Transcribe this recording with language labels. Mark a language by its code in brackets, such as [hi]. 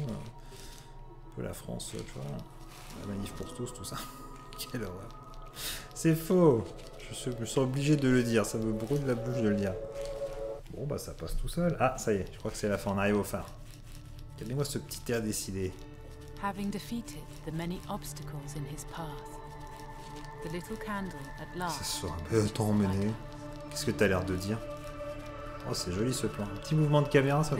[fr] Un peu la France, tu vois. La manif pour tous, tout ça. Quelle horreur. C'est faux! Je suis obligé de le dire, ça me brûle la bouche de le dire. Bon bah ça passe tout seul. Ah ça y est, je crois que c'est la fin, on arrive au phare. Regardez-moi ce petit air décidé. [en] Having defeated the many obstacles in his path, the little candle at last. [fr] Ça sera bien emmené. Qu'est-ce que t'as l'air de dire? Oh c'est joli ce plan. Un petit mouvement de caméra, ça va